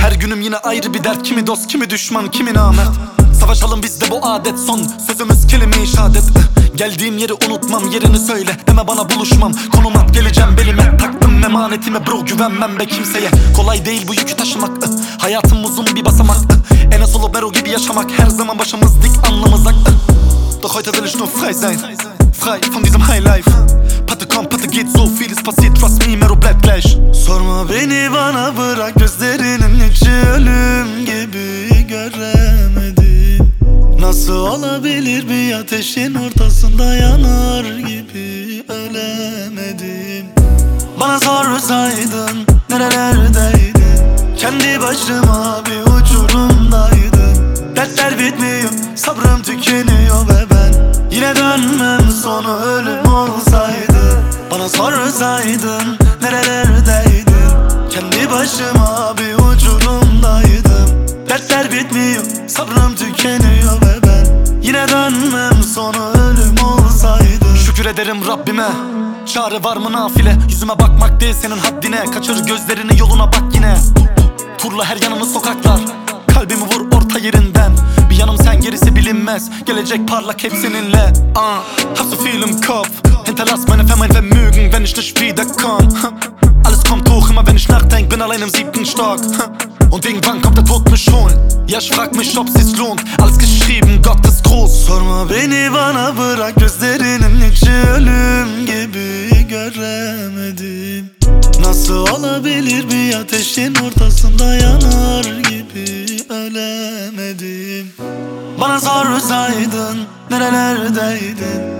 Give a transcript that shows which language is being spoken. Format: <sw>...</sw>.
<tr>Her günüm yine ayrı bir dert, kimi dost kimi düşman kimi namert. Savaşalım bizde bu adet, son sözümüz kelime-i şehadet. Geldiğim yeri unutmam, yerini söyle deme bana buluşmam. Konum at, geleceğim belime, taktım emanetime bro, güvenmem be kimseye. Kolay değil bu yükü taşımak, hayatım uzun bir basamak. Enes Olubero gibi yaşamak, her zaman başımız dik anlamazak.</tr> <de>Doch heute will ich nur frei sein, frei von diesem high life. Patte komm patte geht, so vieles passiert,</de> <en>trust me</en> <de>mero bleib gleich.</de> <tr>Sorma beni bana bırak, gözlerinin içi ölüm gibi göremedim. Nasıl olabilir bir ateşin ortasında yanar gibi ölemedim. Bana sorsaydın nerelerdeydin? Kendi başıma bir uçurumdaydım. Dertler bitmiyor, sabrım tükeniyor ve ben yine dönmem, sonu ölüm olsaydı. Bana sorsaydın nerelerdeydin? Kendi başıma bir uçurumdaydım. Dertler bitmiyor, sabrım tükeniyor ve yine dönmem, sonu ölüm olsaydı. Şükür ederim Rabbime, çare var mı nafile? Yüzüme bakmak değil senin haddine, kaçır gözlerini yoluna bak yine. Turla her yanını sokaklar, kalbimi vur orta yerinden. Bir yanım sen, gerisi bilinmez, gelecek parlak hep seninle.</tr> <de>Hast du viel im Kopf? Hinterlass meine Familie Vermögen, wenn ich nicht wiederkomm. Alles kommt hoch, immer wenn ich nachdenk, bin allein im siebten Stock. Und irgendwann kommt der Tod mich holen. Ja, ich frag mich, ob sich's lohnt. Alles geschrieben, Gott ist groß.</de> <tr>Sorma beni bana bırak, gözlerinin içi ölüm gibi göremedim. Nasıl olabilir bir ateşin ortasında yanar gibi ölemedim. Bana sorsaydın nerelerdeydin?</tr>